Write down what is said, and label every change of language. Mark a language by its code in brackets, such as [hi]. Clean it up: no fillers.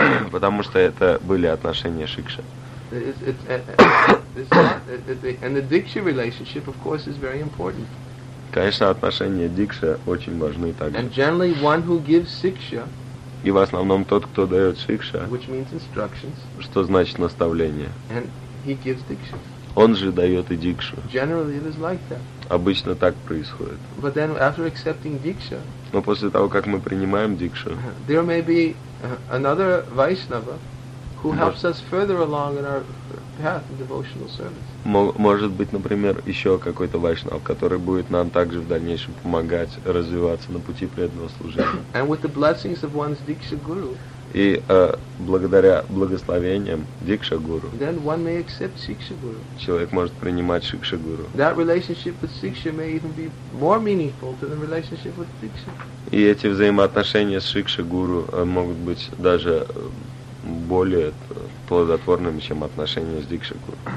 [ru] Потому что это были отношения шикши. [en] And the дикша relationship, of course, is very important. [ru] Конечно, отношения дикша очень важны также. [en] And generally, one who gives siksha. [ru] И в основном тот, кто дает шикша. [en] Which means instructions. [ru] Что значит наставление? [en] And he gives diksha. [ru] Он же дает и дикшу. [en] Generally, it is like that. [ru] Обычно так происходит. [en] But then, after accepting diksha. [ru] Но после того, как мы принимаем дикшу. [en] There may be another Vaishnava. Who helps us further along in our path of devotional service? [ru] Может быть, например, еще какой-то вайшнав, который будет нам также в дальнейшем помогать развиваться на пути преданного служения. [en] And with the blessings of one's diksha guru. [ru] И благодаря благословениям дикша гуру. [en] Then one may accept siksha guru. [ru] Человек может принимать шикша гуру. [en] That relationship with siksha may even be more meaningful than the relationship with diksha. [ru] И эти взаимоотношения с шикша гуру могут быть даже более плодотворным, чем отношения с Дикшаку.